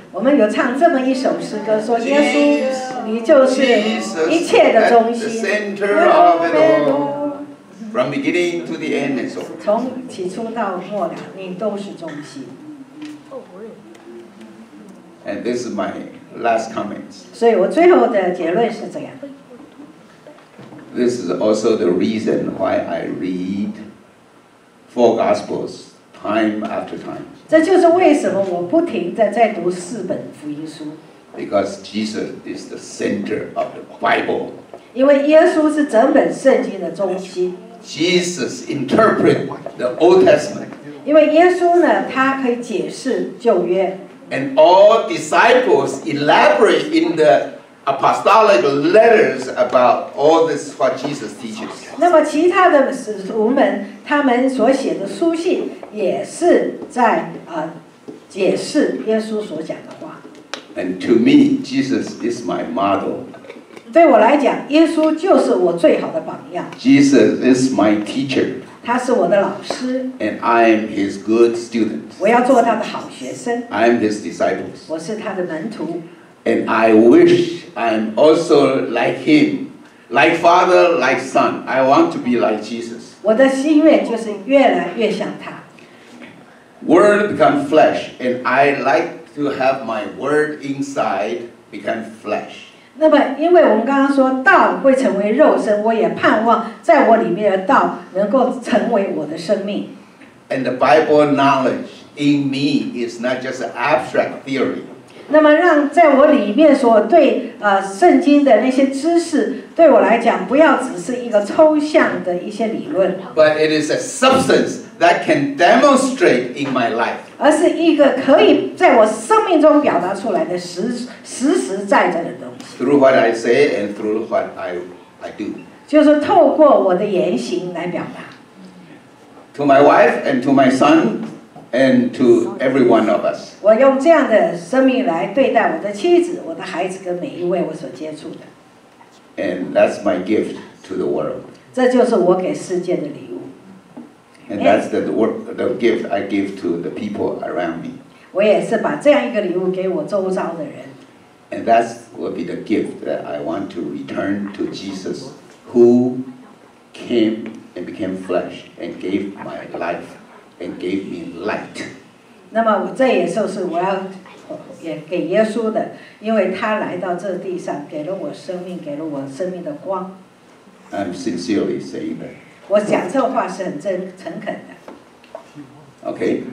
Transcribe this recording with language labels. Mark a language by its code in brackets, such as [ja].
[zh] 我们有唱这么一首诗歌，说耶稣，你就是一切的中心。 [en] Jesus at the center of it all. From beginning to the end, and so. [zh] 从起初到末了，你都是中心。 [en] And this is my last comment. [zh] 所以我最后的结论是这样。 [en] This is also the reason why I read four Gospels time after time. [zh] 这就是为什么我不停地在读四本福音书。 [en] Because Jesus is the center of the Bible. [zh] 因为耶稣是整本圣经的中心。 [en] Jesus interprets the Old Testament. [zh] 因为耶稣呢，他可以解释旧约。 [en] And all disciples elaborate in the apostolic letters about all this what Jesus teaches. [zh] 那么其他的使徒们他们所写的书信也是在解释耶稣所讲的话。 [en] And to me, Jesus is my model. [zh] 对我来讲，耶稣就是我最好的榜样。 [en] Jesus is my teacher. [zh] 他是我的老师。 [en] And I am his good student. [zh] 我要做他的好学生。 [en] I am his disciples. [zh] 我是他的门徒。 [en] And I wish I am also like him, like father, like son. I want to be like Jesus. [zh] 我的心愿就是越来越像他。 [en] Word become flesh, and I like to have my word inside become flesh. [zh] 那么，因为我们刚刚说道会成为肉身，我也盼望在我里面的道能够成为我的生命。 [en] And the Bible knowledge in me is not just an abstract theory. [zh] 那么让在我里面所对圣经的那些知识对我来讲不要只是一个抽象的一些理论 [en] but it is a substance that can demonstrate in my life [zh] 而是一个可以在我生命中表达出来的实实在在的东西 [en] through what I say and through what I do [zh] 就是透过我的言行来表达 [en] to my wife and to my sonAnd to every one of us. [zh] 我用这样的生命来对待我的妻子、我的孩子跟每一位我所接触的。 [en] And that's my gift to the world. [zh] 这就是我给世界的礼物。 [en] And that's the gift I give to the people around me. [zh] 我也是把这样一个礼物给我周遭的人。 [en] And that will be the gift that I want to return to Jesus, who came and became flesh and gave my life. And gave me light. [zh] 那么我这也就是我要也给耶稣的，因为他来到这地上，给了我生命，给了我生命的光。 [en] I'm sincerely saying that. [zh] 我讲这话是很真诚恳的。 [en] Okay.